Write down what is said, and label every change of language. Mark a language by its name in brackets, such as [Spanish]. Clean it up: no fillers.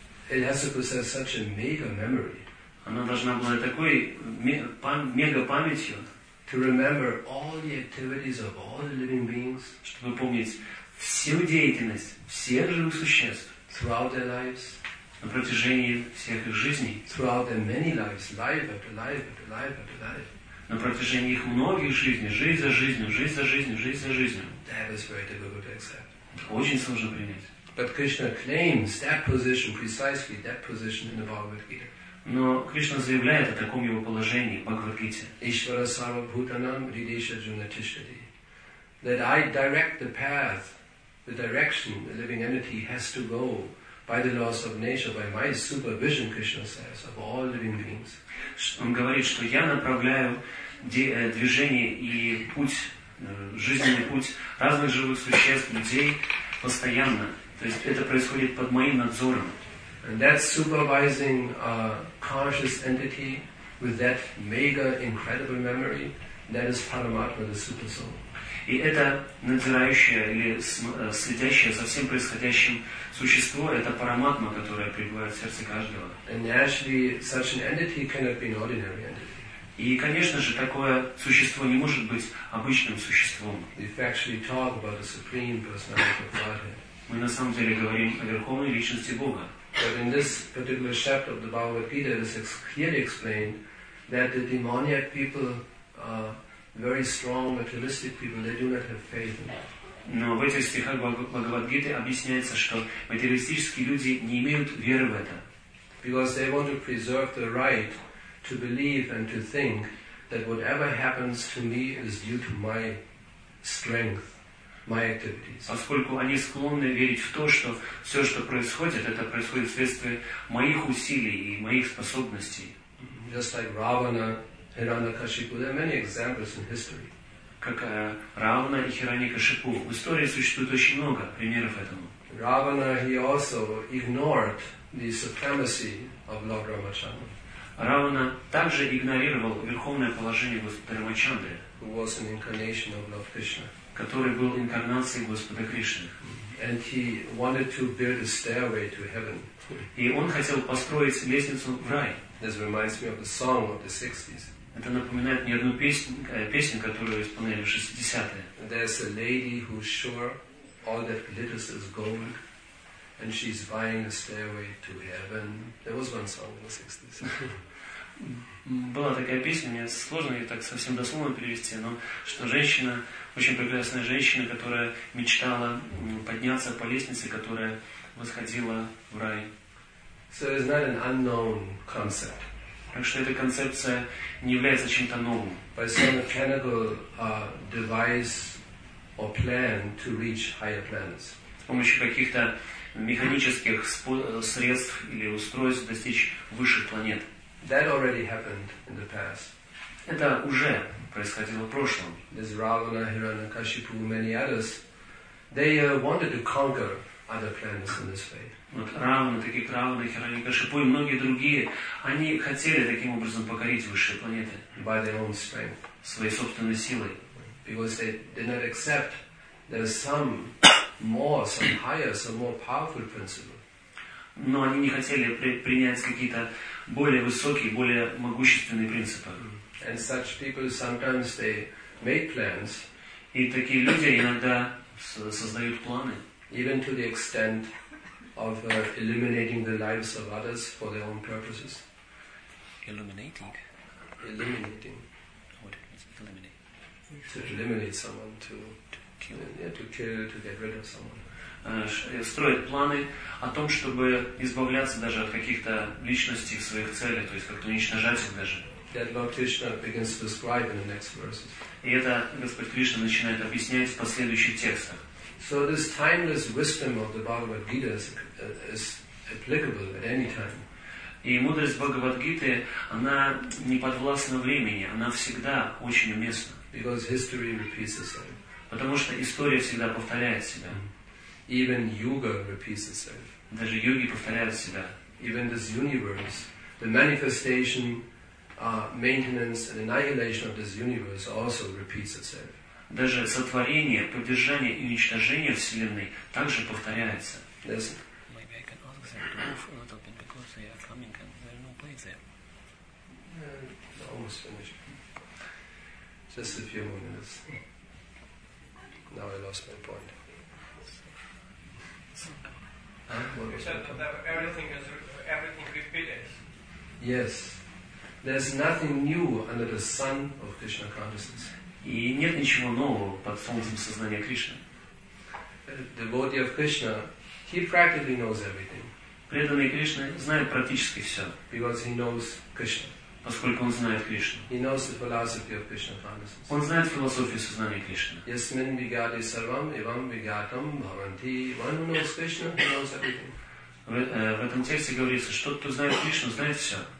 [English] It has to possess such a mega memory. [Russian] Она должна была такой мега памятью. [English] To remember all the activities of all the living beings. [Russian] Чтобы помнить всю деятельность всех живых существ. [English] Throughout their lives. [Russian] На протяжении всех их жизней. [English] Throughout their many lives, life after life after life after life. [Russian] На протяжении их многих жизней, жизнь за жизнью, жизнь за жизнью, жизнь за жизнью. [English] That is very difficult to accept. [Russian] Это очень сложно принять. [English] But Krishna claims that position, precisely that position in the Bhagavad Gita. [Russian] Но Кришна заявляет о таком его положении в Бхагавад-гите. [Sanskrit] Ishvara sarva bhutanam ridesha junatishati. [English] That I direct the path, the direction the living entity has to go by the laws of nature, by my supervision, Krishna says, of all living beings. [Russian] Он говорит, что я направляю движение и путь, жизненный путь разных живых существ, людей постоянно. То есть это происходит под моим надзором. [English] And that supervising conscious entity with that mega incredible memory, that is Paramatma, the super soul. [Russian] И это надзирающее или следящее за всем происходящим существо, это Параматма, которое пребывает в сердце каждого. [English] And actually, such an entity cannot be an ordinary entity. [Russian] И, конечно же, такое существо не может быть обычным существом. [English] If we actually talk about the supreme personality of Godhead. [Russian] Мы на самом деле говорим о верховной личности Бога. [English] But in this particular chapter of the Bhagavad Gita, it is clearly explained that the demoniac people are very strong materialistic people. They do not have faith in God. [Russian] Но в этих стихах Бхагавад Гиты объясняется, что материалистические люди не имеют веры в это. [English] Because they want to preserve the right to believe and to think that whatever happens to me is due to my strength. My activities. [Russian] Поскольку они склонны верить в то, что все, что происходит, это происходит вследствие моих усилий и моих способностей. [English] Just like Ravana, Hiranyakashipu, there are many examples in history. [Russian] Как Равана и Хираньякашипу. В истории существует очень много примеров этому. [English] Ravana, he also ignored the supremacy of Lord Ramachandra. [Russian] Равана также игнорировал верховное положение Господа Рамачандры. [English] Who was an incarnation of Lord Krishna. [Russian] Который был инкарнацией Господа Кришны. [English] And he wanted to build a stairway to heaven. [Russian] И он хотел построить лестницу в рай. [English] This reminds me of the song of the 60s. [Russian] Это напоминает мне одну песню, которую исполняли в 60-е. [English] There's a lady who's sure all that glitters is gold, and she's buying a stairway to heaven. There was one song in the 60s. [Russian] Была такая песня, мне сложно ее так совсем дословно перевести, но что женщина, очень прекрасная женщина, которая мечтала подняться по лестнице, которая восходила в рай. [English] So it's not an unknown concept. [Russian] Так что эта концепция не является чем-то новым. [English] By some mechanical device or plan to reach higher planets. [Russian] С помощью каких-то механических средств или устройств достичь высших планет. [English] That already happened in the past. [Russian] Это уже происходило в прошлом. [English] There's Ravana, Hiranyakashipu, many others. They wanted to conquer other planets in this way. [Russian] Вот Равана, таких Равана, Хиранякашипу и многие другие, они хотели таким образом покорить высшие планеты. [English] By their own strength. [Russian] Своей собственной силой. [English] Because they did not accept there's some more, some higher, some more powerful principle. [Russian] Но они не хотели принять какие-то более высокие, более могущественные принципы. [English] And such people sometimes they make plans. [Russian] И такие люди иногда создают планы. [English] Even to the extent of eliminating the lives of others for their own purposes. Illuminating. Eliminating. What it means? Eliminate. To eliminate someone, to kill. Yeah, to kill, to get rid of someone. [Russian] Строят планы о том, чтобы избавляться даже от каких-то личностей в своих целях, то есть как-то уничтожать их даже. [English] that Lord Krishna begins to describe in the next verses. [Russian] И это Господь Кришна начинает объяснять в последующих текстах. [English] So this timeless wisdom of the Bhagavad Gita is applicable at any time. [Russian] И мудрость Бхагавад-гиты, она не подвластна времени, она всегда очень уместна. [English] Because history repeats itself. [Russian] Потому что история всегда повторяет себя. [English] Even yoga repeats itself. [Russian] Даже йоги повторяют себя. [English] Even this universe, the manifestation, maintenance and annihilation of this universe also repeats itself. [Russian] Даже сотворение, поддержание и уничтожение Вселенной также повторяется. [English] Yes. Maybe I can ask them to move a little bit because they are coming and there are no place there. Almost finished. Just a few more minutes. Now I lost my point. Everything repeated. Yes. There's nothing new under the sun of Krishna consciousness. [Russian] И нет ничего нового под солнцем сознания Кришны. [English] The body of Krishna, he practically knows everything. [Russian] Преданный Кришна знает практически все. [English] Because he knows Krishna. [Russian] Поскольку он знает Кришну. [English] He knows the philosophy of Krishna consciousness. [Russian] Он знает философию сознания Кришны. [Sanskrit] Yasmin vigati sarvam evam vigatam bhavanti. [English] One who knows Krishna, he knows everything. [Russian] В этом тексте говорится, что тот, кто знает Кришну, знает все.